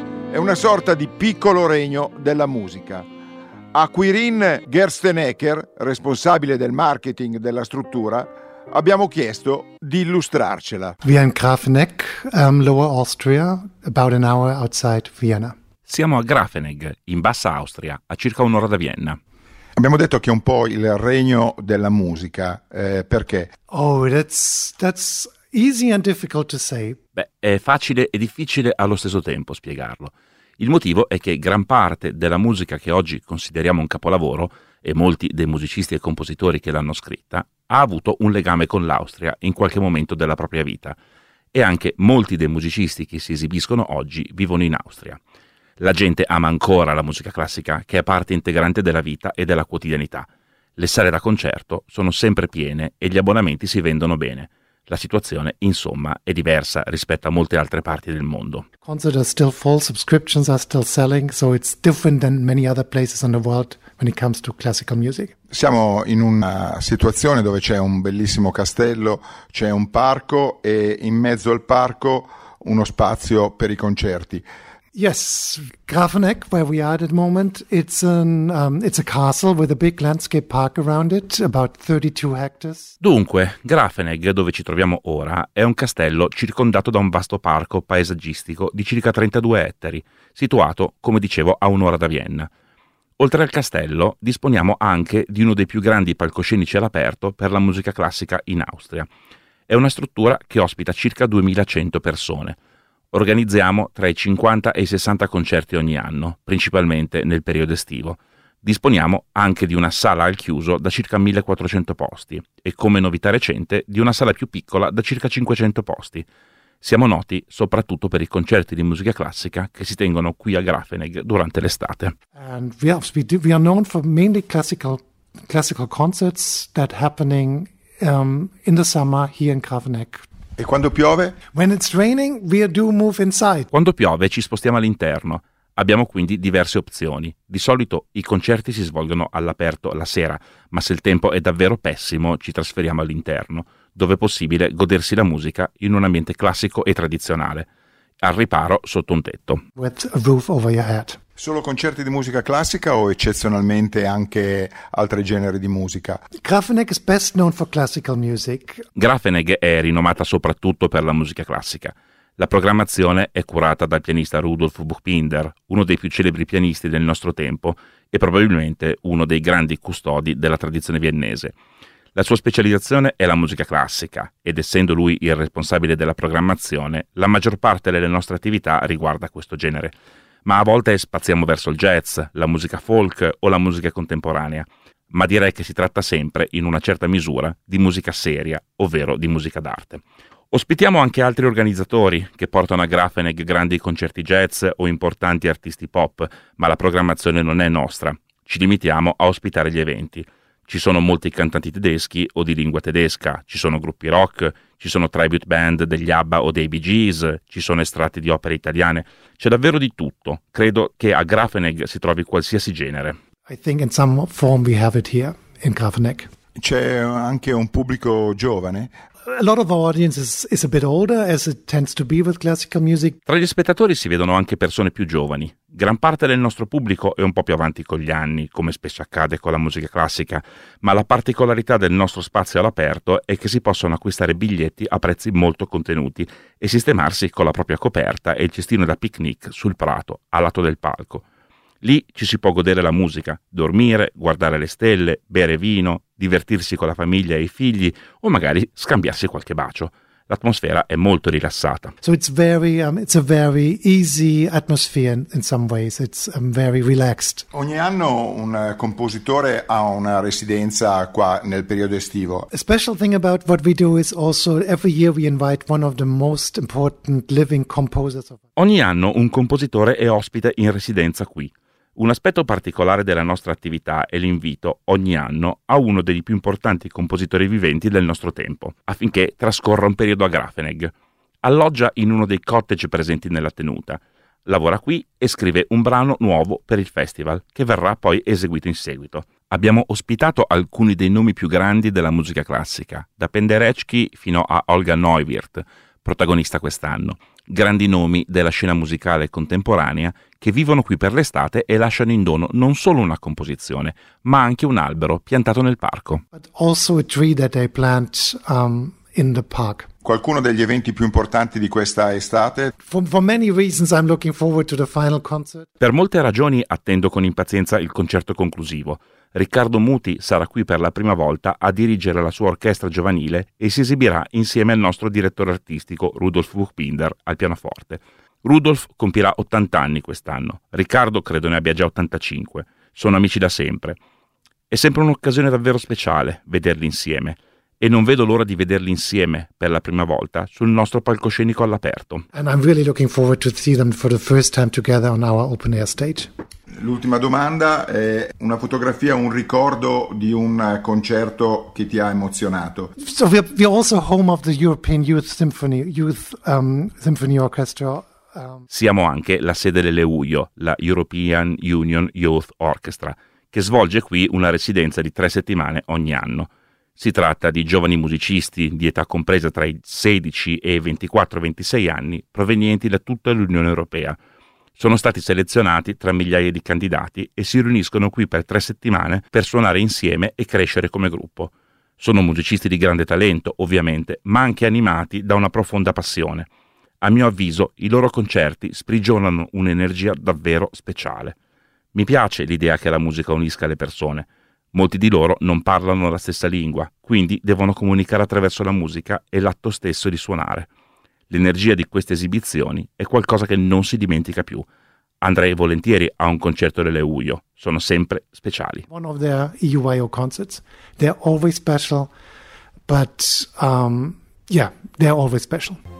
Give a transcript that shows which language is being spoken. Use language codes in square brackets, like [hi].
[it] È una sorta di piccolo regno della musica. A Quirin Gerstenecker, responsabile del marketing della struttura, abbiamo chiesto di illustrarcela. [en] Via in Grafenegg, Lower Austria, about an hour outside Vienna. [it] Siamo a Grafenegg, in Bassa Austria, a circa un'ora da Vienna. Abbiamo detto che è un po' il regno della musica. Perché? [en] Oh, that's easy and difficult to say. [it] È facile e difficile allo stesso tempo spiegarlo. Il motivo è che gran parte della musica che oggi consideriamo un capolavoro, e molti dei musicisti e compositori che l'hanno scritta, ha avuto un legame con l'Austria in qualche momento della propria vita. E anche molti dei musicisti che si esibiscono oggi vivono in Austria. La gente ama ancora la musica classica, che è parte integrante della vita e della quotidianità. Le sale da concerto sono sempre piene e gli abbonamenti si vendono bene. La situazione, insomma, è diversa rispetto a molte altre parti del mondo. [en] Concert are still full, subscriptions are still selling, so it's different than many other places in the world when it comes to classical music. [it] Siamo in una situazione dove c'è un bellissimo castello, c'è un parco e in mezzo al parco uno spazio per i concerti. [en] Yes, Grafenegg, where we are at the moment, it's a castle with a big landscape park around it, about 32 hectares. [it] Dunque, Grafenegg, dove ci troviamo ora, è un castello circondato da un vasto parco paesaggistico di circa 32 ettari, situato, come dicevo, a un'ora da Vienna. Oltre al castello, disponiamo anche di uno dei più grandi palcoscenici all'aperto per la musica classica in Austria. È una struttura che ospita circa 2100 persone. Organizziamo tra i 50 e i 60 concerti ogni anno, principalmente nel periodo estivo. Disponiamo anche di una sala al chiuso da circa 1400 posti e, come novità recente, di una sala più piccola da circa 500 posti. Siamo noti soprattutto per i concerti di musica classica che si tengono qui a Grafenegg durante l'estate. [en] And we are known for mainly classical concerts that happening in the summer here in Grafenegg. [it] E quando piove? [en] When it's raining, we do move inside. [it] Quando piove ci spostiamo all'interno. Abbiamo quindi diverse opzioni. Di solito i concerti si svolgono all'aperto la sera, ma se il tempo è davvero pessimo ci trasferiamo all'interno, dove è possibile godersi la musica in un ambiente classico e tradizionale, al riparo sotto un tetto. [en] With a roof over your head. [it] Solo concerti di musica classica o eccezionalmente anche altri generi di musica? [en] Grafenegg is best known for classical music. [it] Grafenegg è rinomata soprattutto per la musica classica. La programmazione è curata dal pianista Rudolf Buchbinder, uno dei più celebri pianisti del nostro tempo e probabilmente uno dei grandi custodi della tradizione viennese. La sua specializzazione è la musica classica ed essendo lui il responsabile della programmazione, la maggior parte delle nostre attività riguarda questo genere. Ma a volte spaziamo verso il jazz, la musica folk o la musica contemporanea. Ma direi che si tratta sempre, in una certa misura, di musica seria, ovvero di musica d'arte. Ospitiamo anche altri organizzatori che portano a Grafenegg grandi concerti jazz o importanti artisti pop, ma la programmazione non è nostra. Ci limitiamo a ospitare gli eventi. Ci sono molti cantanti tedeschi o di lingua tedesca, ci sono gruppi rock, ci sono tribute band degli ABBA o dei Bee Gees, ci sono estratti di opere italiane, c'è davvero di tutto. Credo che a Grafenegg si trovi qualsiasi genere. [en] I think in some form we have it here in Grafenegg. [it] C'è anche un pubblico giovane? [en] A lot of our audience is a bit older, as it tends to be with classical music. [it] Tra gli spettatori si vedono anche persone più giovani. Gran parte del nostro pubblico è un po' più avanti con gli anni, come spesso accade con la musica classica, ma la particolarità del nostro spazio all'aperto è che si possono acquistare biglietti a prezzi molto contenuti e sistemarsi con la propria coperta e il cestino da picnic sul prato, a lato del palco. Lì ci si può godere la musica, dormire, guardare le stelle, bere vino, divertirsi con la famiglia e i figli o magari scambiarsi qualche bacio. L'atmosfera è molto rilassata. [en] So it's a very easy atmosphere in some ways. It's very relaxed. [it] Ogni anno un compositore ha una residenza qua nel periodo estivo. [en] A special thing about what we do is also every year we invite one of the most important living composers. [it] Ogni anno un compositore è ospite in residenza qui. Un aspetto particolare della nostra attività è l'invito, ogni anno, a uno dei più importanti compositori viventi del nostro tempo, affinché trascorra un periodo a Grafenegg. Alloggia in uno dei cottage presenti nella tenuta. Lavora qui e scrive un brano nuovo per il festival, che verrà poi eseguito in seguito. Abbiamo ospitato alcuni dei nomi più grandi della musica classica, da Penderecki fino a Olga Neuwirth, protagonista quest'anno. Grandi nomi della scena musicale contemporanea che vivono qui per l'estate e lasciano in dono non solo una composizione, ma anche un albero piantato nel parco. [en] But also a tree that they plant, in the park. [it] Qualcuno degli eventi più importanti di questa estate? [en] For many reasons I'm looking forward to the final concert. [it] Per molte ragioni attendo con impazienza il concerto conclusivo. Riccardo Muti sarà qui per la prima volta a dirigere la sua orchestra giovanile e si esibirà insieme al nostro direttore artistico Rudolf Buchbinder al pianoforte. Rudolf compirà 80 anni quest'anno, Riccardo credo ne abbia già 85, sono amici da sempre. È sempre un'occasione davvero speciale vederli insieme e non vedo l'ora di vederli insieme per la prima volta sul nostro palcoscenico all'aperto. [en] And I'm really looking forward to see them for the first time together on our open air stage. [it] L'ultima domanda è una fotografia, un ricordo di un concerto che ti ha emozionato. [en] So we're also home of the European Youth Symphony Orchestra. [it] Siamo anche la sede dell'EUYO, la European Union Youth Orchestra, che svolge qui una residenza di 3 settimane ogni anno. Si tratta di giovani musicisti di età compresa tra i 16 e i 24-26 anni provenienti da tutta l'Unione Europea. Sono stati selezionati tra migliaia di candidati e si riuniscono qui per 3 settimane per suonare insieme e crescere come gruppo. Sono musicisti di grande talento, ovviamente, ma anche animati da una profonda passione. A mio avviso, i loro concerti sprigionano un'energia davvero speciale. Mi piace l'idea che la musica unisca le persone. Molti di loro non parlano la stessa lingua, quindi devono comunicare attraverso la musica e l'atto stesso di suonare. L'energia di queste esibizioni è qualcosa che non si dimentica più. Andrei volentieri a un concerto delle UIO. Sono sempre speciali. [en] One of their UIO concerts, they're always special, but they're always special.